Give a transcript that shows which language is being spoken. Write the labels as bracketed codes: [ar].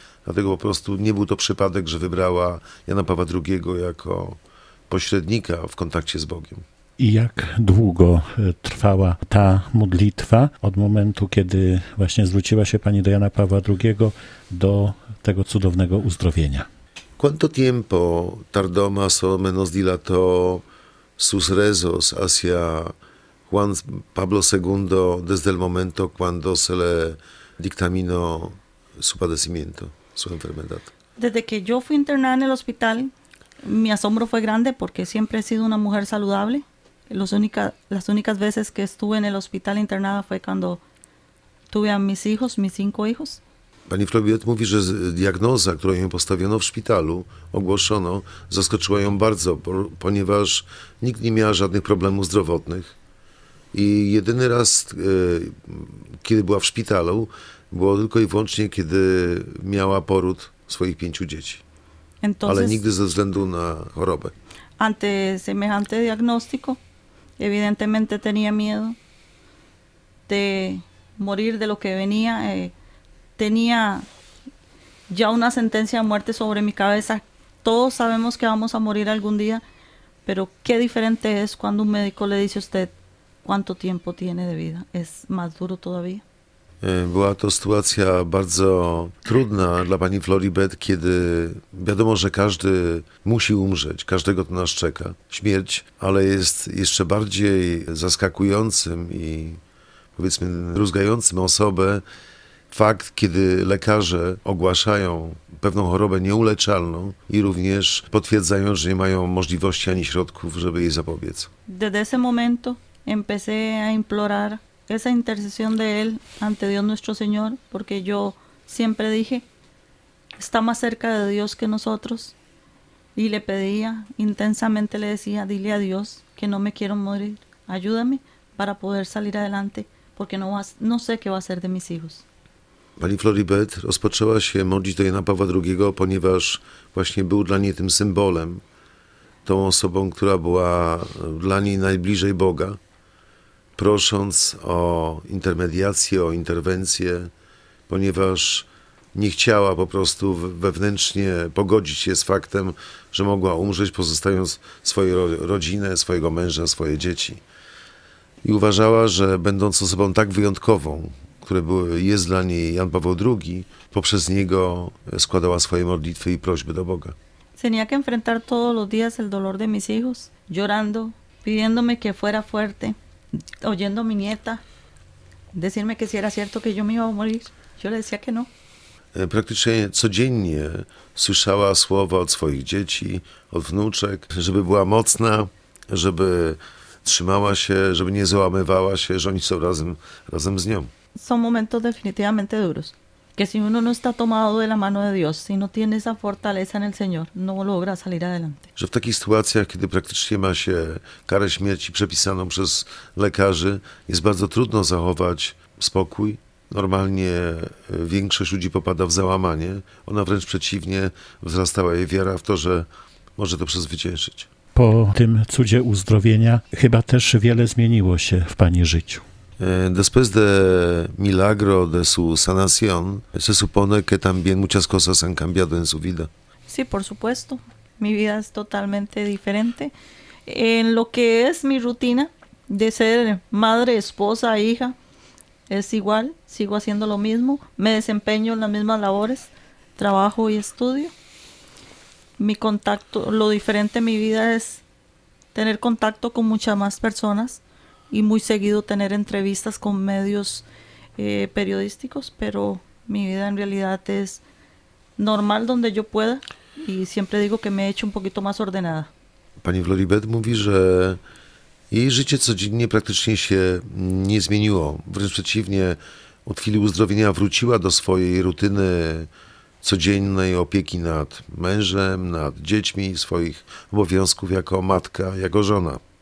[pl] Dlatego po prostu nie był to przypadek, że wybrała Jana Pawła II jako pośrednika w kontakcie z Bogiem. I jak długo trwała ta modlitwa od momentu, kiedy właśnie zwróciła się pani do Jana Pawła II do tego cudownego uzdrowienia? [es] ¿Cuánto tiempo tardó más o menos dilató sus rezos hacia Juan Pablo II desde el momento cuando se le dictaminó su padecimiento, su enfermedad? Desde que yo fui internada en el hospital, mi asombro fue grande porque siempre he sido una mujer saludable. Las únicas veces que estuve en el hospital internada fue cuando tuve a mis hijos, mis cinco hijos. [pl] Pani Flobiet mówi, że diagnoza, którą ją postawiono w szpitalu, ogłoszono, zaskoczyła ją bardzo, ponieważ nikt nie miał żadnych problemów zdrowotnych. I jedyny raz, kiedy była w szpitalu, było tylko i wyłącznie, kiedy miała poród swoich pięciu dzieci. [es] Entonces, [pl] ale nigdy ze względu na chorobę. [es] Ante semejante diagnóstico, evidentemente tenía miedo de morir de lo que venía. Tenía ya una sentencia de muerte sobre mi cabeza. Todos sabemos que vamos a morir algún día, pero qué diferente es cuando un médico le dice a usted cuánto tiempo tiene de vida. Es más duro todavía. [pl] Była to sytuacja bardzo trudna dla pani Floribet, kiedy wiadomo, że każdy musi umrzeć, każdego to nas czeka, śmierć, ale jest jeszcze bardziej zaskakującym i powiedzmy rozgającym osobę fakt, kiedy lekarze ogłaszają pewną chorobę nieuleczalną i również potwierdzają, że nie mają możliwości ani środków, żeby jej zapobiec. [es] Desde ese momento empecé a implorar esa intercesión de él ante Dios nuestro Señor, porque yo siempre dije, está más cerca de Dios que nosotros, y le pedía, intensamente le decía, dile a Dios que no me quiero morir, ayúdame para poder salir adelante, porque no sé qué va a ser de mis hijos. [pl] Pani Floribet rozpoczęła się modlić do Jana Pawła II, ponieważ właśnie był dla niej tym symbolem, tą osobą, która była dla niej najbliżej Boga, prosząc o intermediację, o interwencję, ponieważ nie chciała po prostu wewnętrznie pogodzić się z faktem, że mogła umrzeć, pozostając swoją rodzinę, swojego męża, swoje dzieci. I uważała, że będąc osobą tak wyjątkową, jest dla niej Jan Paweł II, poprzez niego składała swoje modlitwy i prośby do Boga. [es] Tenía que enfrentar todos los días el dolor de mis hijos, llorando, pidiéndome que fuera fuerte, oyendo mi nieta, decirme que si era cierto que yo me iba a morir. Yo le decía que no. [pl] Praktycznie codziennie słyszała słowa od swoich dzieci, od wnuczek, żeby była mocna, żeby trzymała się, żeby nie załamywała się, że oni są razem z nią. Są momenty [es] definitivamente duros. Que si uno no está tomado de la mano de Dios, si no tiene esa fortaleza en el Señor, no logra salir adelante. [pl] Że w takich sytuacjach, kiedy praktycznie ma się karę śmierci przepisaną przez lekarzy, jest bardzo trudno zachować spokój. Normalnie większość ludzi popada w załamanie. Ona wręcz przeciwnie, wzrastała jej wiara w to, że może to przezwyciężyć. Po tym cudzie uzdrowienia chyba też wiele zmieniło się w pani życiu. [es] Después de milagro de su sanación, se supone que también muchas cosas han cambiado en su vida. Sí, por supuesto. Mi vida es totalmente diferente. En lo que es mi rutina de ser madre, esposa, hija, es igual. Sigo haciendo lo mismo. Me desempeño en las mismas labores, trabajo y estudio. Mi contacto, lo diferente en mi vida es tener contacto con muchas más personas. Y muy seguido tener entrevistas con medios periodísticos, pero mi vida en realidad es normal donde yo pueda y siempre digo que me he hecho un poquito más ordenada. [pl] Pani Floribet mówi, że jej życie codziennie praktycznie się nie zmieniło. Wręcz przeciwnie, od chwili uzdrowienia wróciła do swojej rutyny codziennej opieki nad mężem, nad dziećmi, swoich obowiązków jako matka, jako żona.